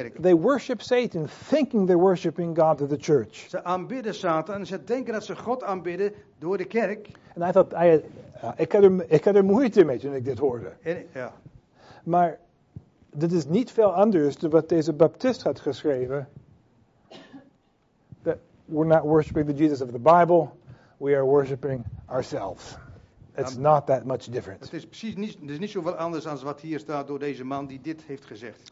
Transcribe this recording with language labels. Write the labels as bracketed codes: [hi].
[en] They worship Satan, thinking they're worshiping God through the church. [nl] Ze aanbidden Satan en ze denken dat ze God aanbidden door de kerk. [en] And I thought [nl] ik had er moeite mee toen ik dit hoorde. Maar dit is niet veel anders dan wat deze Baptist had geschreven. [en] That we're not worshiping the Jesus of the Bible, we are worshiping ourselves. It's not that much different. [nl] Het is precies niet, het is niet zoveel anders dan wat hier staat door deze man die dit heeft gezegd.